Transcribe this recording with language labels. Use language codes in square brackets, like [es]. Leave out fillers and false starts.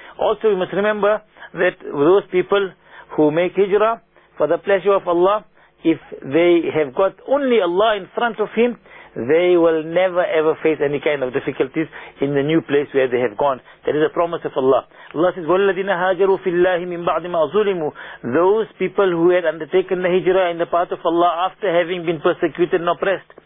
[en] Also, we must remember that those people who make hijrah for the pleasure of Allah, if they have got only Allah in front of him, they will never ever face any kind of difficulties in the new place where they have gone. That is a promise of Allah. Allah says, [ar] وَالَّذِينَ هَاجَرُوا فِي اللَّهِ مِنْ بَعْدِ مَا ظُلِمُوا. [en] Those people who had undertaken the hijrah in the path of Allah after having been persecuted and oppressed.